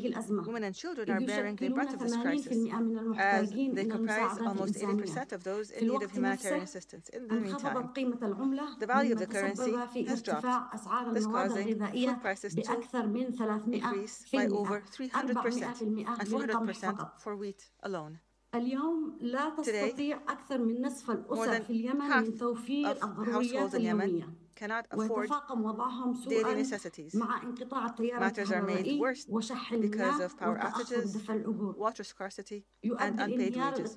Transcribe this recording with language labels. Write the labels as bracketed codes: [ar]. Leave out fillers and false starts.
[en] Women and children are bearing the brunt of this crisis, as they comprise almost 80% of those in need of humanitarian assistance. In the meantime, the value of the currency has dropped, this causing food prices to increase by over 300% and 400% for wheat alone. [ar] اليوم لا تستطيع [en] Today, [ar] أكثر من نصف الأسر في اليمن من توفير الضروريات اليومية. [en] Cannot afford daily necessities. Matters are made worse because of power outages, water scarcity, and unpaid wages.